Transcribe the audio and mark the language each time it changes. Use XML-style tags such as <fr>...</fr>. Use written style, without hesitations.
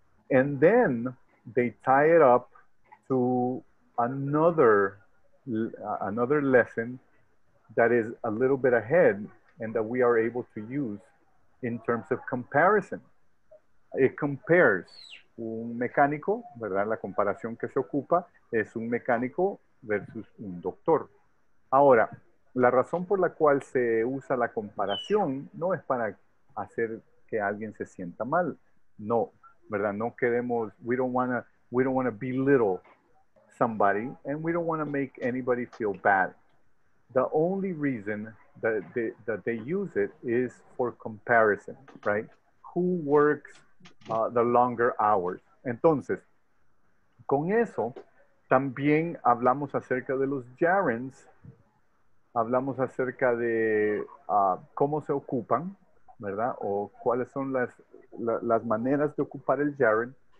<en>And then they tie it up to another lesson that is a little bit ahead and that we are able to use in terms of comparison. It compares</en> <es>un mecánico, ¿verdad? La comparación que se ocupa es un mecánico versus un doctor. Ahora, la razón por la cual se usa la comparación no es para hacer que alguien se sienta mal. No, ¿verdad? No queremos,</es> <en>we don't wanna belittle somebody and we don't wanna make anybody feel bad. The only reason that they use it is for comparison, right? Who works the longer hours?</en> <es>Entonces, con eso, también hablamos acerca de los gerunds. Hablamos acerca de cómo se ocupan, ¿verdad? O cuáles son las maneras de ocupar el gerund.</es>